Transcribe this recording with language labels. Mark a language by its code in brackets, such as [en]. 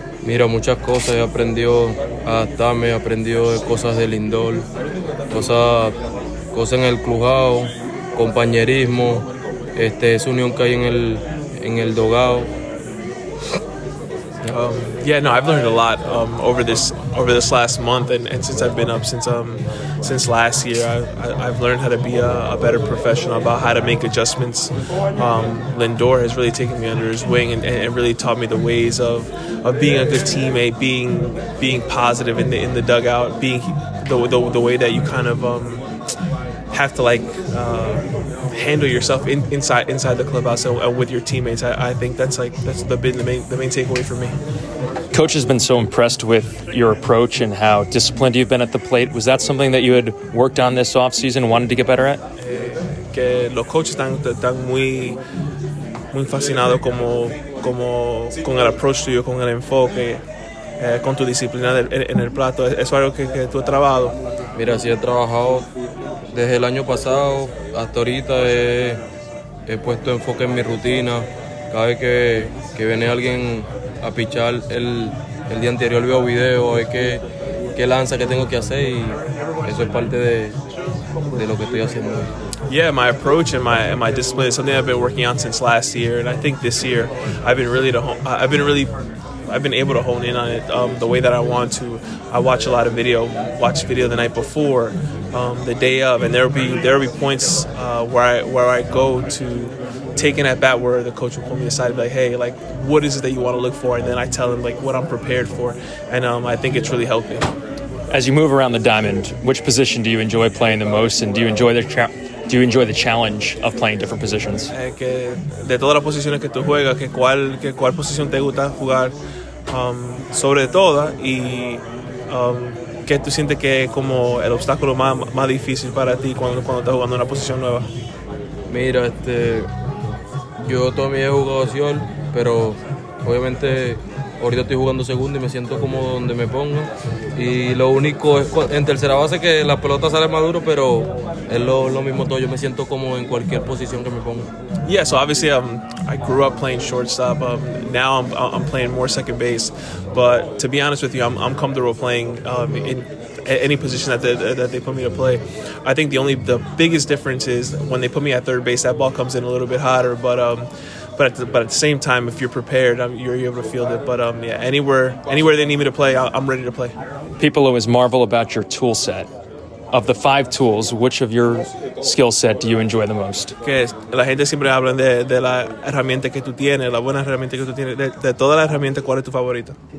[es] Mira, muchas cosas, he aprendido a adaptarme, he aprendido cosas del indoor, cosas en el clujado, compañerismo, esa unión que hay en el dogado. [en] I've learned a lot over this last month and since I've been up since last year. I've learned how to be a better professional, about how to make adjustments. Lindor has really taken me under his wing and really taught me the ways of being a good teammate, being positive in the dugout, being the way that you kind of have to handle yourself inside the clubhouse and with your teammates. I think that's been the main takeaway for me. Coach has been so impressed with your approach and how disciplined you've been at the plate. Was that something that you had worked on this offseason, wanted to get better at? [es] Que los coaches están muy fascinados como con el approach tuyo, con el enfoque, con tu disciplina en el plato. Eso es algo que tú has trabajado. Mira, sí, he trabajado desde el año pasado hasta ahorita. He puesto enfoque en mi rutina. Cada vez que viene alguien a pichar el día anterior, veo video, es qué lanza que tengo que hacer, y eso es parte de lo que estoy haciendo. [en] Yeah, my approach and my discipline is something I've been working on since last year, and I think this year I've been able to hone in on it the way that I want to. I watch a lot of video, watch video the night before, the day of, and there'll be points where I go to taking at bat where the coach will pull me aside and be like, hey, like, what is it that you want to look for? And then I tell him like what I'm prepared for, and I think it's really helped me. As you move around the diamond, which position do you enjoy playing the most, and do you enjoy the challenge of playing different positions? [es] De todas las posiciones que tú juegas, ¿cuál posición te gusta jugar sobre todo, y qué tú sientes que es como el obstáculo más difícil para ti cuando estás jugando una posición nueva? Mira, yo también he jugado short, pero obviamente ahorita estoy jugando segundo y me siento como donde me ponga. Y lo único es en tercera base que la pelota sale más duro, pero es lo mismo todo. Yo me siento como en cualquier posición que me ponga. [en] Yeah, so obviously I grew up playing shortstop. Now I'm playing more second base. But to be honest with you, I'm comfortable playing in any position that they put me to play. I think the biggest difference is when they put me at third base, that ball comes in a little bit hotter. But at the same time, if you're prepared, you're able to field it. But yeah, anywhere they need me to play, I'm ready to play. People always marvel about your tool set. Of the five tools, which of your skill set do you enjoy the most? [es] La gente siempre habla de la herramienta que tú tienes, la buena herramienta que tú tienes. De todas las herramientas, ¿cuál es tu favorita?